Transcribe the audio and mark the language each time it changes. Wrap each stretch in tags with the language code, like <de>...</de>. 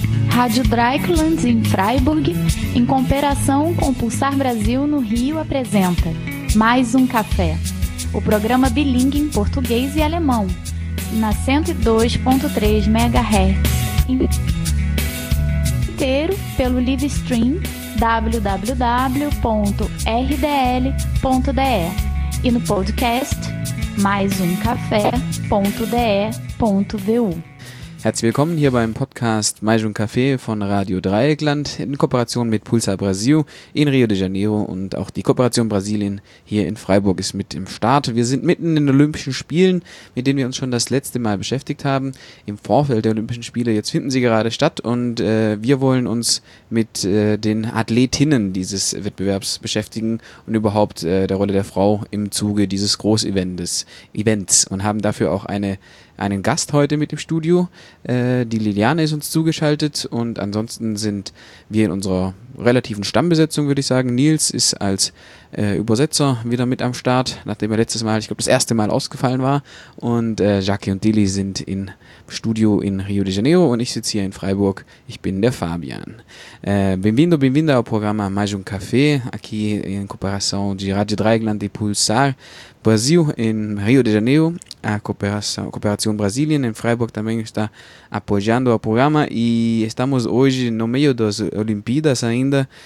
<pt>Rádio Dreieckland em Freiburg, em cooperação com o Pulsar Brasil no Rio, apresenta Mais um Café, o programa bilíngue em português e alemão, na 102.3 MHz, inteiro pelo live stream www.rdl.de e no podcast maisumcafé.de.vu.</pt> <de>Herzlich willkommen hier beim Podcast Maisum Café von Radio Dreieckland in Kooperation mit Pulsar Brasil in Rio de Janeiro und auch die Kooperation Brasilien hier in Freiburg ist mit im Start. Wir sind mitten in den Olympischen Spielen, mit denen wir uns schon das letzte Mal beschäftigt haben. Im Vorfeld der Olympischen Spiele, jetzt finden sie gerade statt und wir wollen uns mit den Athletinnen dieses Wettbewerbs beschäftigen und überhaupt der Rolle der Frau im Zuge dieses Großevents und haben dafür auch einen Gast heute mit im Studio. Die Liliane ist uns zugeschaltet und ansonsten sind wir in unserer relativen Stammbesetzung, würde ich sagen. Nils ist als Übersetzer wieder mit am Start, nachdem er letztes Mal, ich glaube das erste Mal ausgefallen war. Und Jackie und Dilly sind im Studio in Rio de Janeiro und ich sitze hier in Freiburg. Ich bin der Fabian.</de> <pt>Bem-vindo, bem-vinda ao programa Mais um Café, aqui em cooperação de Rádio Dreieckland e Pulsar Brasil in Rio de Janeiro. A Cooperación Brasilien in Freiburg também está apoiando o programa e estamos hoje no meio das Olimpíadas ainda.</pt>